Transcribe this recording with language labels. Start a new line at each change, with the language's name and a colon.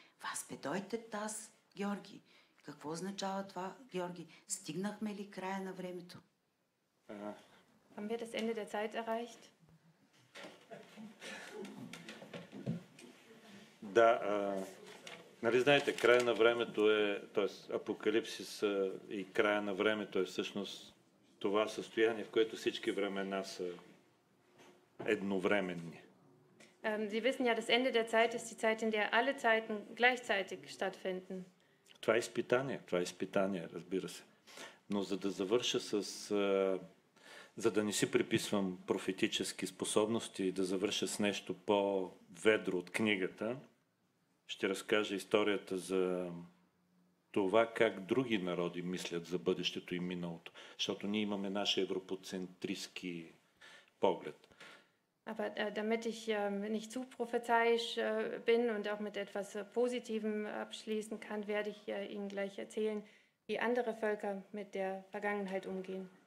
German: Was bedeutet das, Georgi?
Bulgarian: Какво означава това, Георги? Стигнахме ли края на времето?
German: Haben wir das Ende der Zeit erreicht?
Bulgarian: Да, нали знаете, края на времето е, т.е. апокалипсис и края на времето е всъщност това състояние, в което всички времена са едновременни.
German: Sie wissen ja, das Ende der Zeit ist die Zeit, in der alle Zeiten gleichzeitig stattfinden.
Bulgarian: Това е изпитание, това е изпитание, разбира се. Но за да завърша с... за да не си приписвам профетически способности и да завърша с нещо по-ведро от книгата, ще разкажа историята за това как други народи мислят за бъдещето и миналото. Защото ние имаме наш европоцентристски поглед.
German: Aber damit ich nicht zu prophezeiisch bin und auch mit etwas Positivem abschließen kann, werde ich Ihnen gleich erzählen, wie andere Völker mit der Vergangenheit umgehen.